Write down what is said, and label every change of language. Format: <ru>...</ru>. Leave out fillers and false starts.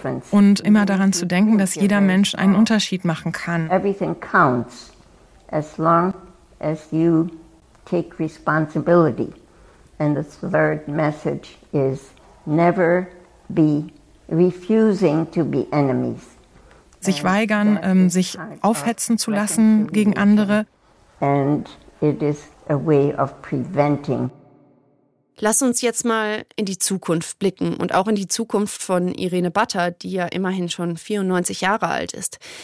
<de>Und immer daran zu denken, dass jeder Mensch einen Unterschied machen kann.</de> <en>Everything counts, as long as you take responsibility. And the third message is never be refusing to be enemies.</en> <de>Sich weigern, sich aufhetzen zu lassen gegen andere.</de> <en>And it is a way of preventing.</en> <de>Lass uns jetzt mal in die Zukunft blicken und auch in die Zukunft von Irene Batter, die ja immerhin schon 94 Jahre alt ist.</de>